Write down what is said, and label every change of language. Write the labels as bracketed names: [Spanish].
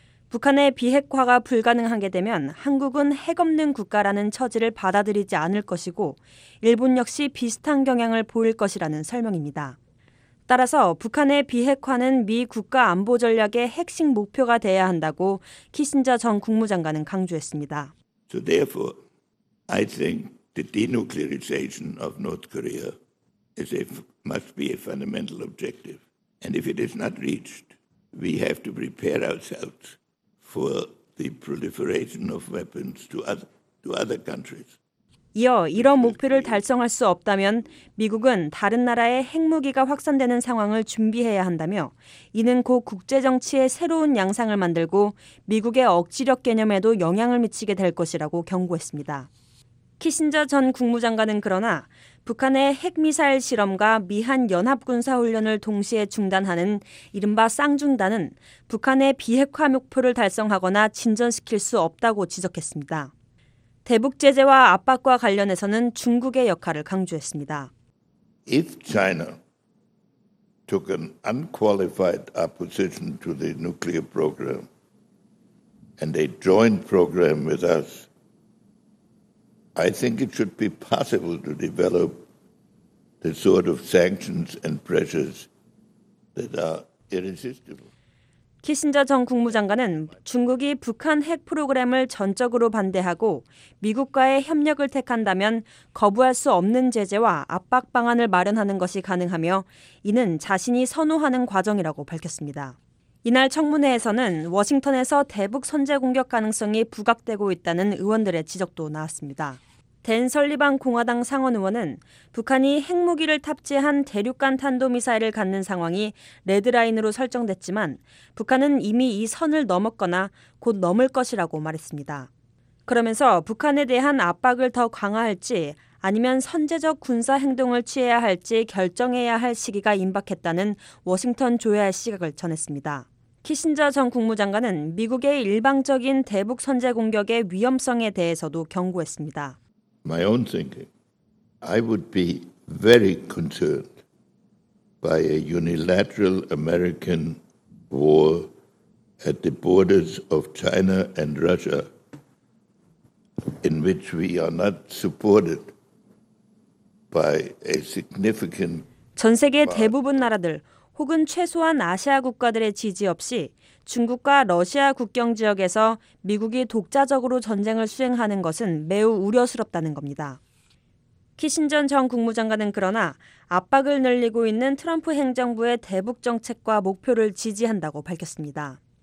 [Korean] 북한의 비핵화가 불가능하게 되면 한국은 핵 없는 국가라는 처지를 받아들이지 않을 것이고 일본 역시 비슷한 경향을 보일 것이라는 설명입니다. 따라서 북한의 비핵화는 미 국가 안보 전략의 핵심 목표가 돼야 한다고 키신저 전 국무장관은 강조했습니다. [English] So therefore, I think the denuclearization of North Korea is a must be a fundamental objective. And if it is not reached, we have to prepare ourselves. For the proliferation of weapons to other countries. [Korean] 이어 이런 목표를 달성할 수 없다면 미국은 다른 나라의 핵무기가 확산되는 상황을 준비해야 한다며 이는 곧 국제 정치의 새로운 양상을 만들고 미국의 억지력 개념에도 영향을 미치게 될 것이라고 경고했습니다. 키신저 전 국무장관은 그러나 북한의 핵미사일 실험과 미한 연합군사훈련을 동시에 중단하는 이른바 쌍중단은 북한의 비핵화 목표를 달성하거나 진전시킬 수 없다고 지적했습니다. 대북 제재와 압박과 관련해서는 중국의 역할을 강조했습니다. [English] If China took an unqualified opposition to the nuclear program and a joint program with us, I think it should be possible to develop the sort of sanctions and pressures that are irresistible. [Korean] 키신저 전 국무장관은 중국이 북한 핵 프로그램을 전적으로 반대하고 미국과의 협력을 택한다면 거부할 수 없는 제재와 압박 방안을 마련하는 것이 가능하며 이는 자신이 선호하는 과정이라고 밝혔습니다. 이날 청문회에서는 워싱턴에서 대북 선제 공격 가능성이 부각되고 있다는 의원들의 지적도 나왔습니다. 댄 설리반 공화당 상원 의원은 북한이 핵무기를 탑재한 대륙간 탄도미사일을 갖는 상황이 레드라인으로 설정됐지만 북한은 이미 이 선을 넘었거나 곧 넘을 것이라고 말했습니다. 그러면서 북한에 대한 압박을 더 강화할지 아니면 선제적 군사 행동을 취해야 할지 결정해야 할 시기가 임박했다는 워싱턴 조야의 시각을 전했습니다. 키신저 전 국무장관은 미국의 일방적인 대북 선제 공격의 위험성에 대해서도 경고했습니다. [English] My own thinking, I would be very concerned by a unilateral American war at the borders of China and Russia, in which we are not supported by a significant. [Korean] 전 세계 대부분 나라들 혹은 최소한 아시아 국가들의 지지 없이 중국과 러시아 국경 지역에서 미국이 독자적으로 전쟁을 수행하는 것은 매우 우려스럽다는 겁니다. 키신저 전 국무장관은 그러나 압박을 늘리고 있는 트럼프 행정부의 대북 정책과 목표를 지지한다고 밝혔습니다.